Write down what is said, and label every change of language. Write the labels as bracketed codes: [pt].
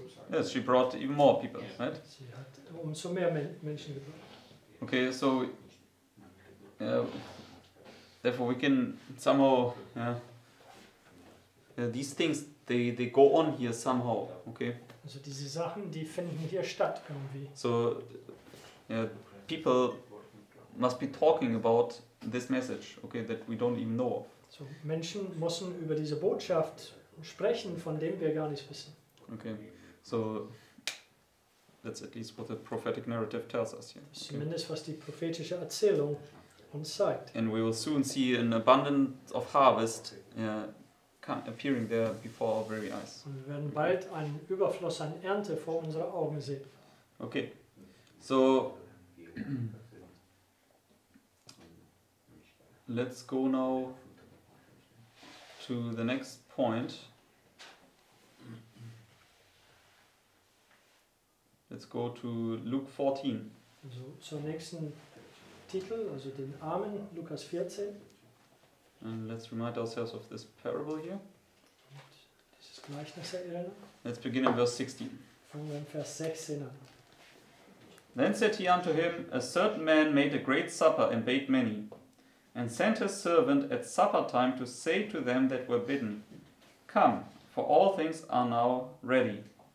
[en] Yes, she brought even more people, yes. Right? [de] Sie hat umso mehr Menschen gebracht. [en] Okay, so therefore we can somehow these things they go on here somehow, okay? [de] Also diese Sachen, die finden hier statt irgendwie. [en] So people must be talking about this message, okay, that we don't even know of. [de] So Menschen müssen über diese Botschaft sprechen, von dem wir gar nichts wissen. [en] Okay. So that's at least what the prophetic narrative tells us here. [de] Okay. Zumindest was die prophetische Erzählung uns sagt. [en] And we will soon see an abundance of harvest appearing there before our very eyes. [de] Und wir werden bald einen Überfluss an Ernte vor unseren Augen sehen. [en] Okay. So let's go now to the next point. Let's go to Luke 14. [de] Also zum nächsten Titel, also den Armen, Lukas 14. [en] And let's remind ourselves of this parable here. [de] Und dieses Gleichnis erinnern. [en] Let's begin in verse 16. [de] Fangen wir in Vers 16 an. [en] Then said he unto him, a certain man made a great supper and bade many, and sent his servant at supper time to say to them that were bidden, come, for all things are now ready.